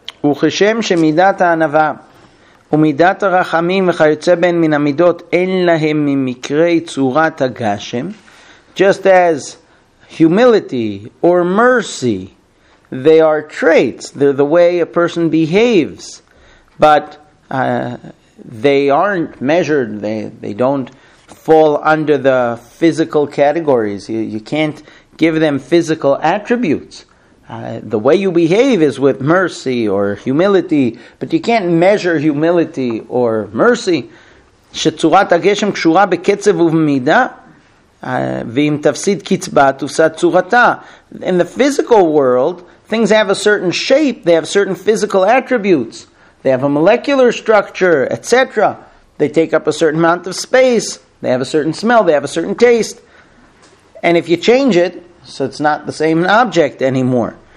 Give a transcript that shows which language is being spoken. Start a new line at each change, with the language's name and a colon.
Hebrew: וכשם שמידת הענווה ומידת הרחמים וכיוצא בהן מן המידות אין להם ממקרי צורת הגשם,
English: just as humility or mercy, they are traits, they're the way a person behaves, but they aren't measured, they don't fall under the physical categories. You can't give them physical attributes. The way you behave is with mercy or humility, but you can't measure humility or mercy.
Hebrew: שצורת הגשם קשורה בקצב ובמידה, ואם תפסיד קצבה, תפסד צורתה.
English: In the physical world, things have a certain shape, they have certain physical attributes, they have a molecular structure, etc. They take up a certain amount of space, they have a certain smell, they have a certain taste. And if you change it, so it's not the same object anymore.